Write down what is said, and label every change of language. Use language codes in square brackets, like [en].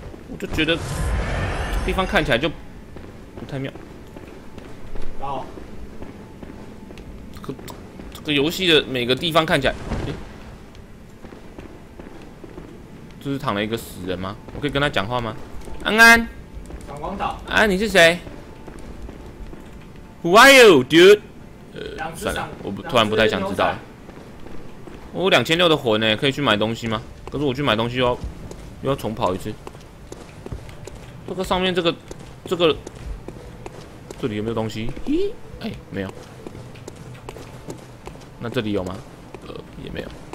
[zh] 我就觉得这地方看起来就不太妙。好。这个游戏的每个地方看起来，欸，就是躺了一个死人吗？我可以跟他讲话吗？安安，闪光岛。安，啊，你是谁 ？ [en] Who are you, dude？ [zh] 算了，我突然不太想知道。我有2600的魂呢，可以去买东西吗？可是我去买东西又要重跑一次。这个上面这个，这里有没有东西？咦，欸，没有。那这里有吗？也没有。